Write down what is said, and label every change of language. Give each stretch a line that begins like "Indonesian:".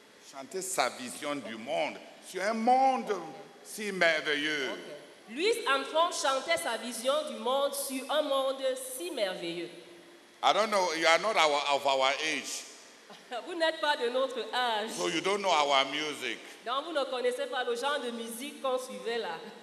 French: chanter sa vision du monde sur un monde si merveilleux. Louis Armstrong chantait sa vision du monde sur un monde si merveilleux.
English: I don't know, you are not of our age.
French: Vous n'êtes pas de notre âge.
English: So you don't know our music.
French: Donc vous ne connaissez pas le genre de musique qu'on suivait là.